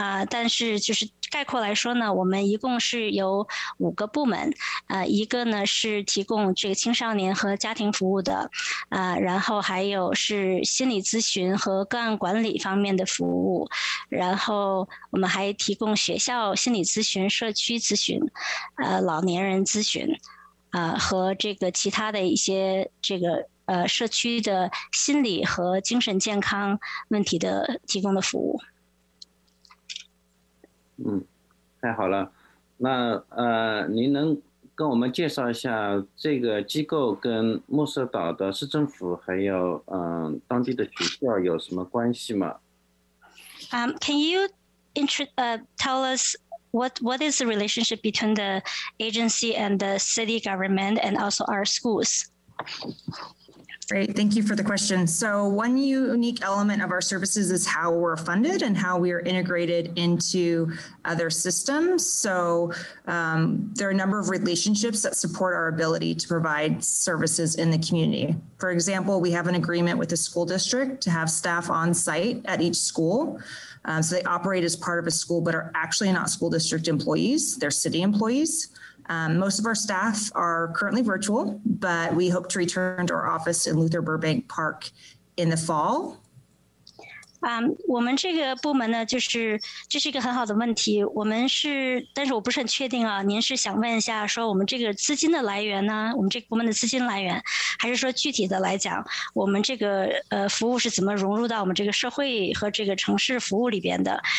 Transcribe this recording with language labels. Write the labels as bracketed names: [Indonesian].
[Chinese] 但是就是概括来说呢，我们一共是有5个部门，一个呢是提供这个青少年和家庭服务的，然后还有是心理咨询和个案管理方面的服务，然后我们还提供学校心理咨询、社区咨询、老年人咨询，和这个其他的一些这个社区的心理和精神健康问题的提供的服务。太好了，那您能跟我们介绍一下这个机构跟穆色岛的市政府还有当地的学校有什么关系吗？ [English] Can you tell us what is the relationship between the agency and the city government and also our schools? Great, thank you for the question. So one unique element of our services is how we're funded and how we are integrated into other systems. So there are a number of relationships that support our ability to provide services in the community. For example, we have an agreement with the school district to have staff on site at each school. So they operate as part of a school, but are actually not school district employees, they're city employees. Most of our staff are currently virtual, but we hope to return to our office in Luther Burbank Park in the fall. [Chinese] 我们这个部门呢，就是这是一个很好的问题。我们是，但是我不是很确定啊。您是想问一下，说我们这个资金的来源呢？我们这个部门的资金来源，还是说具体的来讲，我们这个服务是怎么融入到我们这个社会和这个城市服务里边的？